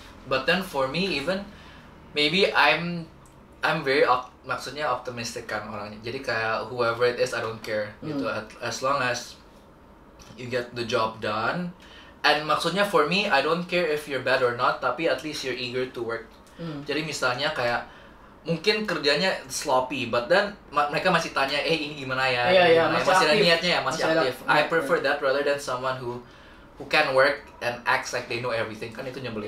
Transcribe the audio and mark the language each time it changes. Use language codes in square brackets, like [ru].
[en] But then for me even maybe I'm very maksudnya optimistic [id] kan orangnya. [en] Jadi kayak whoever it is I don't care gitu. As long as you get the job done. And maksudnya for me I don't care if you're bad or not tapi at least you're eager to work. [id] Jadi misalnya kayak mungkin kerjanya sloppy [en] but then [id] mereka masih tanya ini gimana ya? Masih ada niatnya ya, masih aktif. [en] I prefer that rather than someone who can work and acts like they know everything [id] kan itu nyebelin.